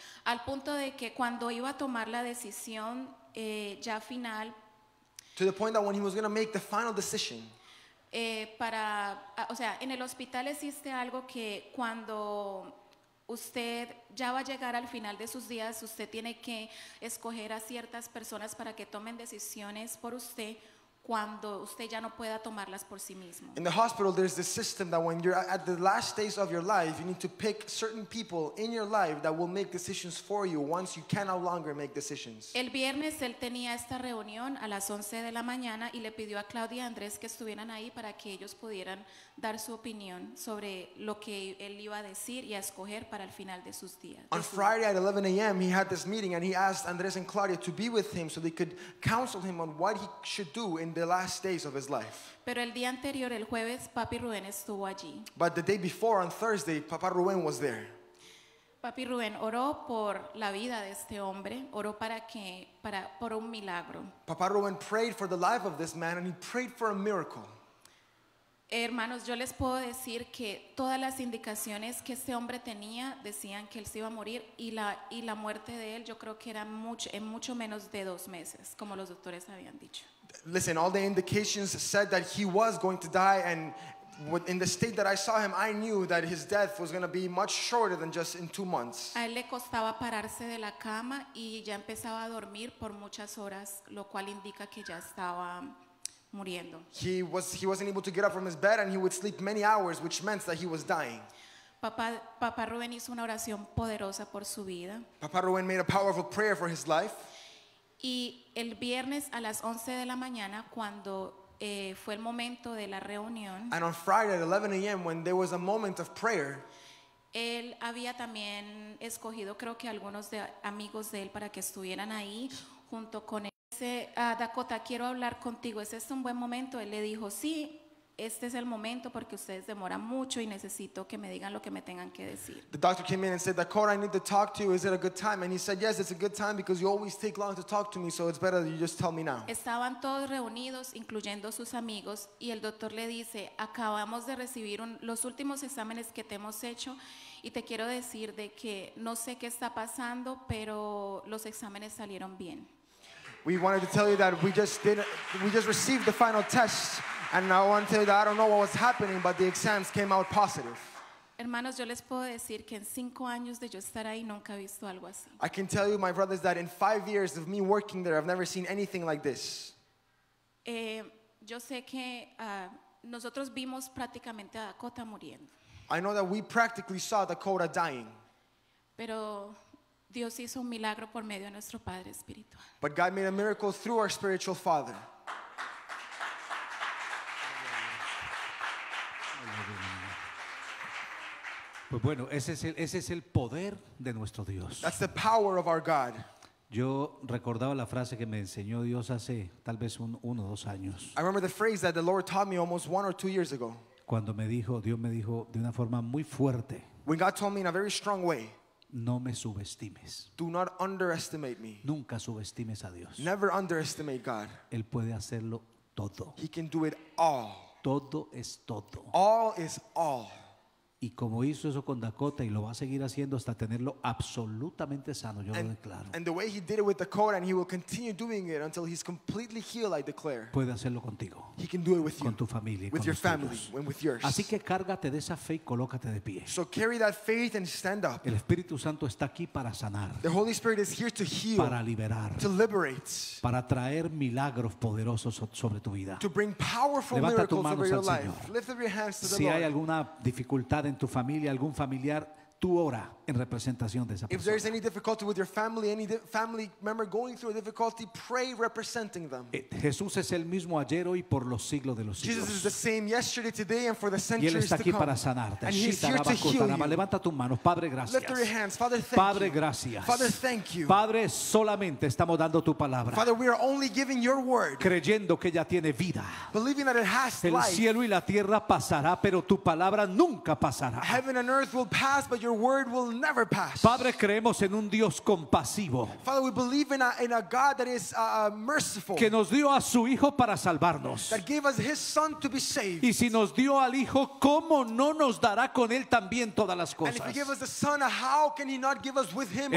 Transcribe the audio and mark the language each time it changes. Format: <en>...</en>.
<es>Al punto de que cuando iba a tomar la decisión ya final,</es> <en>to the point that when he was going to make the final decision,</en> <es>en el hospital existe algo que cuando usted ya va a llegar al final de sus días, usted tiene que escoger a ciertas personas para que tomen decisiones por usted cuando usted ya no pueda tomarlas por sí mismo.</es> <en>In the hospital, there's this system that when you're at the last days of your life, you need to pick certain people in your life that will make decisions for you once you can no longer make decisions.</en> <es>El viernes él tenía esta reunión a las 11 de la mañana y le pidió a Claudia y Andrés que estuvieran ahí para que ellos pudieran dar su opinión sobre lo que él iba a decir y a escoger para el final de sus días.</es> <en>On Friday at 11 a.m., he had this meeting and he asked Andrés and Claudia to be with him so they could counsel him on what he should do in the last days of his life.</en> <es>Pero el día anterior, el jueves, Papi Rubén estuvo allí.</es> <en>But the day before, on Thursday, Papa Rubén was there.</en> <es>Papi Rubén oró por la vida de este hombre, oró para que, para, por un milagro.</es> <en>Papa Rubén prayed for the life of this man, and he prayed for a miracle.</en> <es>Hermanos, yo les puedo decir que todas las indicaciones que este hombre tenía decían que él se iba a morir y la muerte de él yo creo que era en mucho menos de 2 meses, como los doctores habían dicho.</es> <en>Listen, all the indications said that he was going to die, and in the state that I saw him, I knew that his death was going to be much shorter than just in 2 months.</en> <es>A él le costaba pararse de la cama y ya empezaba a dormir por muchas horas, lo cual indica que ya estaba muriendo.</es> <en>He wasn't able to get up from his bed, and he would sleep many hours, which meant that he was dying.</en> <es>Papá Rubén hizo una oración poderosa por su vida.</es> <en>Papa Rubén made a powerful prayer for his life.</en> <es>Y el viernes a las 11 de la mañana, cuando fue el momento de la reunión,</es> <en>and on Friday at 11 a.m., when there was a moment of prayer,</en> <es>él había también escogido, creo que algunos de amigos de él para que estuvieran ahí junto con él. Dakota, quiero hablar contigo. ¿Es este un buen momento? Él le dijo, sí, este es el momento porque ustedes demoran mucho y necesito que me digan lo que me tengan que decir.</es> <en>The doctor came in and said, Dakota, I need to talk to you. Is it a good time? And he said, yes, it's a good time because you always take long to talk to me, so it's better that you just tell me now.</en> <es>Estaban todos reunidos, incluyendo sus amigos, y el doctor le dice, acabamos de recibir los últimos exámenes que te hemos hecho y te quiero decir de que no sé qué está pasando, pero los exámenes salieron bien.</es> <en>We wanted to tell you that we just received the final test, and I want to tell you that I don't know what was happening, but the exams came out positive.</en> <es>Hermanos, yo les puedo decir que en 5 años de yo estar ahí nunca he visto algo así.</es> <en>I can tell you, my brothers, that in 5 years of me working there, I've never seen anything like this.</en> <es>Yo sé que nosotros vimos prácticamente a Dakota muriendo.</es> <en>I know that we practically saw Dakota dying.</en> <es>Pero Dios hizo un milagro por medio de nuestro Padre Espiritual.</es> <en>But God made a miracle through our spiritual Father.</en> <es>Pues bueno, ese es el poder de nuestro Dios.</es> <en>That's the power of our God.</en> <es>Yo recordaba la frase que me enseñó Dios hace tal vez uno o dos años.</es> <en>I remember the phrase that the Lord taught me almost 1 or 2 years ago.</en> <es>Cuando me dijo, Dios me dijo de una forma muy fuerte.</es> <en>When God told me in a very strong way.</en> <es>No me subestimes.</es> <en>Do not underestimate me.</en> <es>Nunca subestimes a Dios.</es> <en>Never underestimate God.</en> <es>Él puede hacerlo todo.</es> <en>He can do it all.</en> <es>Todo es todo.</es> <en>All is all.</en> <es>Y como hizo eso con Dakota y lo va a seguir haciendo hasta tenerlo absolutamente sano, yo lo declaro.</es> <en>And the way he did it with Dakota, and he will continue doing it until he's completely healed, I declare.</en> <es>Puede hacerlo contigo.</es> <en>He can do it with you.</en> <es>Con tu familia,</es> <en>with your family, and with yours.</en> <es>Así que cárgate de esa fe y colócate de pie.</es> <en>So carry that faith and stand up.</en> <es>El Espíritu Santo está aquí para sanar.</es> <en>The Holy Spirit is here to heal.</en> <es>Para liberar.</es> <en>To liberate.</en> <es>Para traer milagros poderosos sobre tu vida.</es> <en>To bring powerful miracles over your life. Lift up your hands to the Lord.</en> <es>Si hay alguna dificultad en tu familia, algún familiar, tú ora en representación de esa persona.</es> <en>If there is any difficulty with your family, any family member going through a difficulty, pray representing them.</en> <es>Jesús es el mismo ayer, hoy, por los siglos de los siglos.</es> <en>Jesus is the same yesterday, today, and for the centuries to come.</en> <es>Y él está aquí para sanarte.</es> <en>And he's here to heal you.</en> <es>Levanta tus manos, Padre, gracias.</es> <en>Lift your hands, Father. Thank you.</en> <es>Padre, gracias.</es> <en>Father, thank you.</en> <es>Padre, solamente estamos dando tu palabra.</es> <en>Father, we are only giving your word.</en> <es>Creyendo que ella tiene vida.</es> <en>Believing that it has life.</en> <es>El cielo y la tierra pasará, pero tu palabra nunca pasará.</es> <en>Heaven and earth will pass, but your word will never pass.</en> <es>Padre, creemos en un Dios compasivo.</es> <en>Father, we believe in a God that is merciful.</en> <es>Que nos dio a su hijo para salvarnos.</es> <en>That gave us his son to be saved.</en> <es>Y si nos dio al hijo, ¿cómo no nos dará con él también todas las cosas?</es> <en>And if he gave us the son, how can he not give us with him</en>